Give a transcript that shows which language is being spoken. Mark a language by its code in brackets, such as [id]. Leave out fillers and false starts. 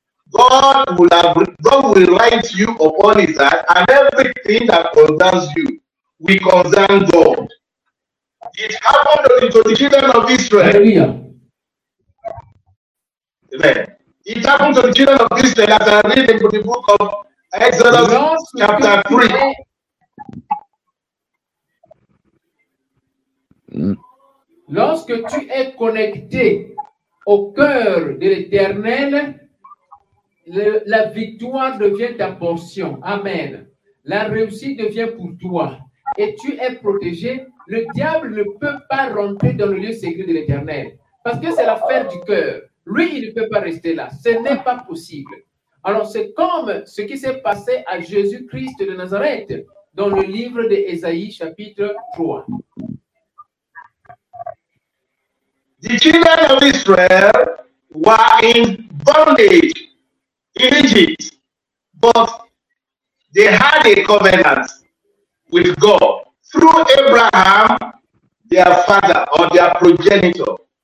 [en] God will write you upon his heart, and everything that concerns you will concern God. It happened to the children of Israel. Amen. It happened to the children of Israel, as I read in the book of Exodus, chapter 3. [fr] Lorsque tu es connecté au cœur de l'Éternel, la victoire devient ta portion. Amen. La réussite devient pour toi. Et tu es protégé. Le diable ne peut pas rentrer dans le lieu secret de l'Éternel. Parce que c'est l'affaire du cœur. Lui, il ne peut pas rester là. Ce n'est pas possible. Alors, c'est comme ce qui s'est passé à Jésus-Christ de Nazareth dans le livre de Ésaïe, chapitre 3. [en] The children of Israel were in bondage in Egypt, but they had a covenant with God through Abraham, their father or their progenitor.